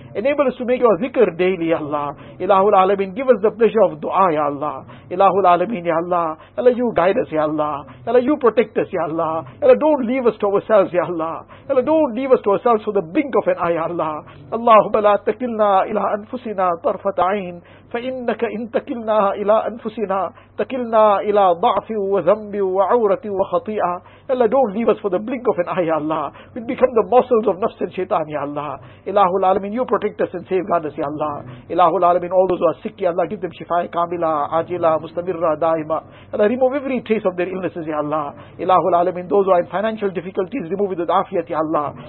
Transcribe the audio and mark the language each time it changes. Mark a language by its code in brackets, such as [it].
[en] Enable us to make your zikr daily, Ya Allah. Ilahu al-Alameen, give us the pleasure of dua, Ya Allah. Ilahu al-Alameen, Ya Allah. Ya Allah, you guide us, Ya Allah. Ya Allah, you protect us, Ya Allah. Ya Allah, don't leave us to ourselves, Ya Allah. Ya Allah, don't leave us to ourselves for the blink of an eye, Ya Allah. [ar] Allahumma la takilna ila anfusina tarfat a'in. فإنك إن تكلنا إلى أنفسنا تكلنا إلى ضعف وذنب وعورة وخطيئة. [en] Allah, don't leave us for the blink of an eye, Ya Allah. We become the muscles of nafs and shaitan, Ya Allah. Ilahu al-Alameen, you protect us and safeguard us, Ya Allah. Ilahu al-Alameen, all those who are sick, Ya Allah, give them [ar] shifa'i kamila, ajila, mustamirra, daima. [en] Allah, remove every trace of their illnesses, Ya Allah. Ilahu al-Alameen, those who are in financial difficulties, remove with afiyat, Ya Allah.